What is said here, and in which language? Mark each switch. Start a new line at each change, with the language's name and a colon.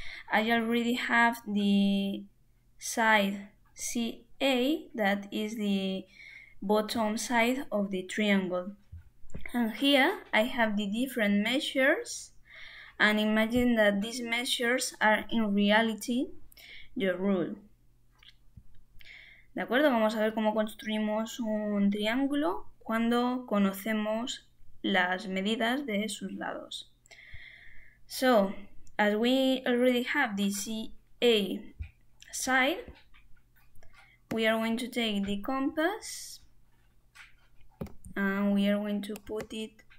English: I already have the side CA, that is the bottom side of the triangle. And here I have the different measures, and imagine that these measures are in reality your rule.
Spanish: De acuerdo, vamos a ver cómo construimos un triángulo cuando conocemos las medidas de sus lados.
English: So, as we already have the CA side, we are going to take the compass and we are going to put it